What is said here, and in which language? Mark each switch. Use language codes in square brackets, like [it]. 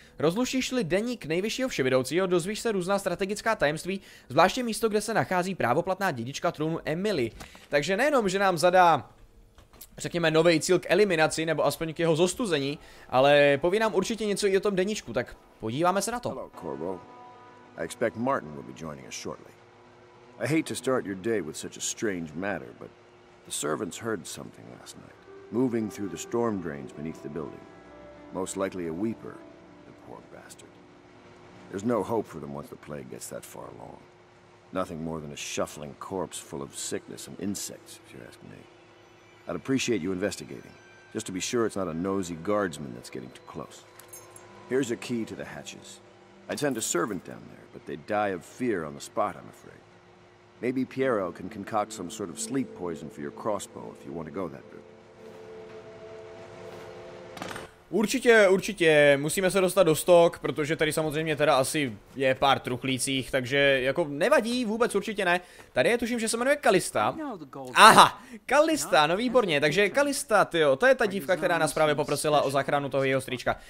[cs] Rozlušíš-li deník nejvyššího vševedoucího, dozvíš se různá strategická tajemství, zvláště místo, kde se nachází právoplatná dědička trůnu Emily. Takže nejenom, že nám zadá, řekněme, nový cíl k eliminaci, nebo aspoň k jeho zostuzení, ale poví nám určitě něco i o tom deníčku, tak podíváme se na to. [en] Hello, I expect Martin will be joining us shortly. I hate to start your day with such a strange matter, but the servants heard something last night, moving through the storm drains beneath the building. Most likely a weeper, the poor bastard. There's no hope for them once the plague gets that far along. Nothing more than a shuffling corpse full of sickness and insects, if you ask me. I'd appreciate you investigating, just to be sure it's not a nosy guardsman that's getting too close. Here's a key to the hatches. I'd send a servant down there, but they'd die of fear on the spot, I'm afraid. Maybe Piero can concoct some sort of sleep poison for your crossbow if you want to go that route. [cs] Určitě, musíme se dostat do stok, protože tady samozřejmě teda asi je pár truchlících, takže jako nevadí, vůbec určitě ne. Tady je tuším, že se jmenuje Kalista. Aha, Kalista, no výborně, takže Kalista, tyjo, to je ta dívka, která nás právě poprosila o záchranu toho jeho strýčka.